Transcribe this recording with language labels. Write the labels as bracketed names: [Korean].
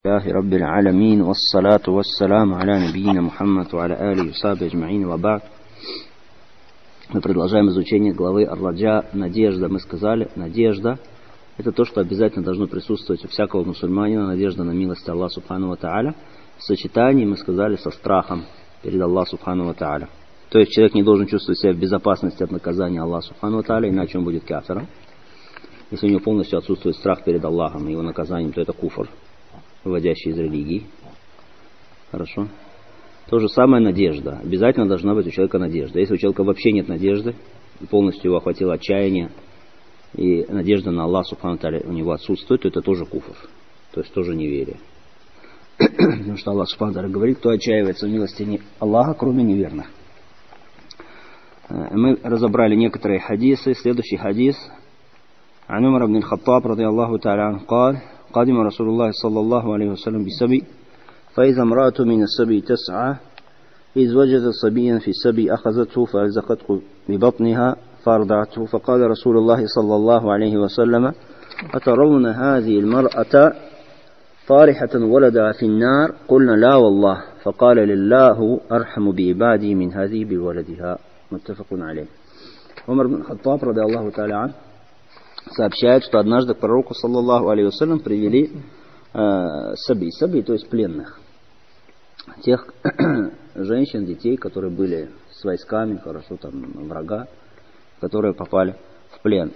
[Arabic] الله رب العالمين والصلاة والسلام على نبينا محمد وعلى آله وصحبه أجمعين وبعد. [Russian] Мы продолжаем изучение главы Ар-Раджа. Надежда, мы сказали, надежда – это то, что обязательно должно присутствовать у всякого мусульманина, надежда на милость Аллаха Субхану Ва Та'аля, в сочетании, мы сказали, со страхом перед Аллахом Субхану Ва Та'аля. То есть человек не должен чувствовать себя в безопасности от наказания Аллаха Субхану Ва Та'аля, иначе он будет кафиром. Если у него полностью отсутствует страх перед Аллахом и его наказанием, то это куфр, выводящий из религии. Хорошо? То же самое надежда. Обязательно должна быть у человека надежда. Если у человека вообще нет надежды, полностью его охватило отчаяние, и надежда на Аллах Субхану Тааля у него отсутствует, то это тоже куфр. То есть тоже неверие. Потому что Аллах Субхану Тааля говорит, кто отчаивается в милости не Аллаха, кроме неверных. Мы разобрали некоторые хадисы. Следующий хадис. [Arabic] عن عمر بن الخطاب رضي الله تعالى عنه قال قدم رسول الله صلى الله عليه وسلم بسبي فإذا امرأة من السبي تسعى إذ وجد صبيا في السبي أخذته فألزقته ببطنها فأرضعته فقال رسول الله صلى الله عليه وسلم أترون هذه المرأة طارحة ولدها في النار قلنا لا والله فقال لله أرحم بعبادي من هذه بولدها متفق عليه. [Russian] عمر بن الخطاب [Arabic] رضي الله تعالى عنه [Russian] сообщает, что однажды к пророку, саллаллаху алейхи ва саллям, привели саби, то есть пленных. Тех женщин, детей, которые были с войсками, хорошо, там, врага, которые попали в плен.